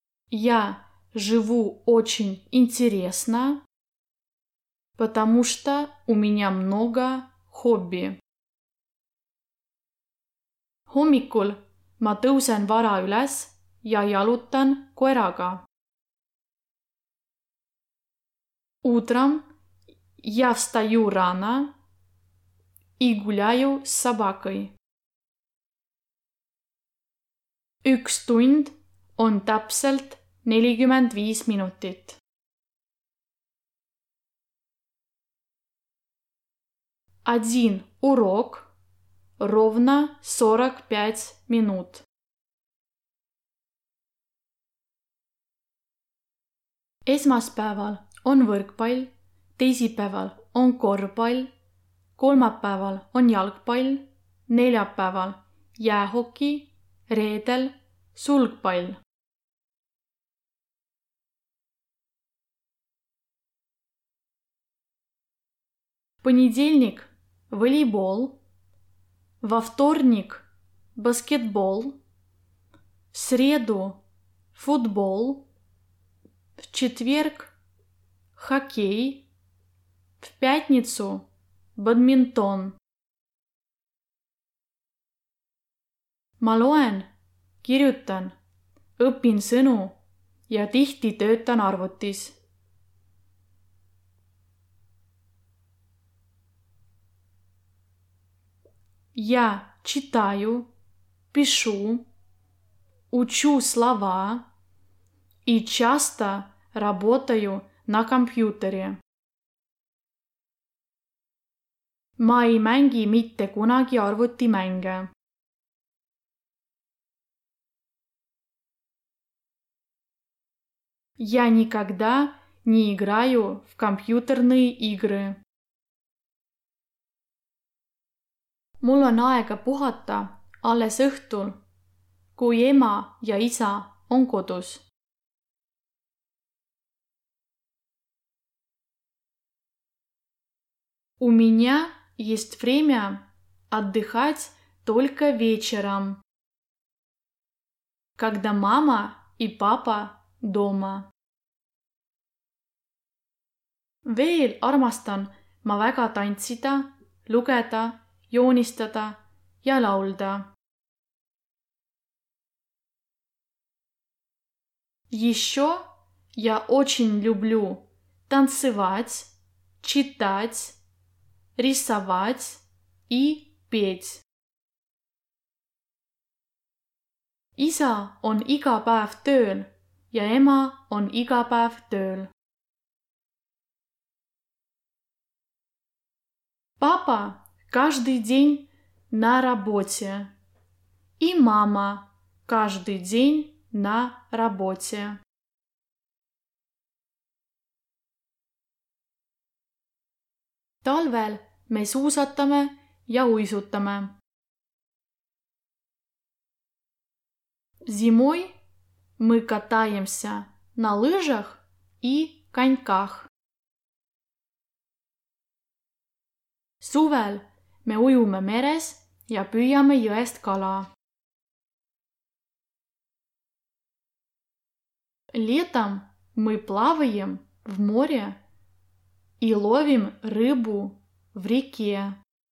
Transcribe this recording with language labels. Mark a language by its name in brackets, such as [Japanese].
[Russian] Я живу очень интересно, потому что у меня много хобби. [Estonian] Hommikul ma tõusen vara üles ja jalutan koeraga. [Russian] Утром я встаю рано и гуляю с собакой. [Estonian] Üks tund on täpselt 45 minutit. [Russian] Один урок ровно 45 минут. [Estonian] Esmaspäeval on võrkpall, teisipäeval on korvpall, kolmapäeval on jalgpall, neljapäeval jäähoki, reedel sulgpall. [Russian] Понедельник – волейбол, во вторник – баскетбол, в среду – футбол, в четверг – хоккей, в пятницу – бадминтон. [Estonian] Ma loen, kirjutan, õpin sõnu ja tihti töötan arvutis. [Russian] Я читаю, пишу, учу слова и часто работаю на компьютере. [Estonian] Ma ei mängi mitte kunagi arvutimänge. [Russian] Я никогда не играю в компьютерные игры. [Estonian] Mul on aega puhata alles õhtul, kui ema ja isa on kodus. [Russian] У меня есть время отдыхать только вечером, когда мама и папа дома. [Estonian] Veel armastan ma väga tantsida, lugeda, joonistada ja laulda. [Russian] Еще я очень люблю танцевать, читать, рисовать и петь. [Estonian] Isa on iga päev tööl ja ema on iga päev tööl. [Russian] Papa каждый день на работе. И мама каждый день на работе. [Estonian] Talvel me suusatame ja uisutame. [Russian] Зимой мы катаемся на лыжах и коньках. [Estonian] Suvel me ujume meres ja püüame jõest kala. [Russian] Летом мы плаваем в море и ловим рыбу в реке.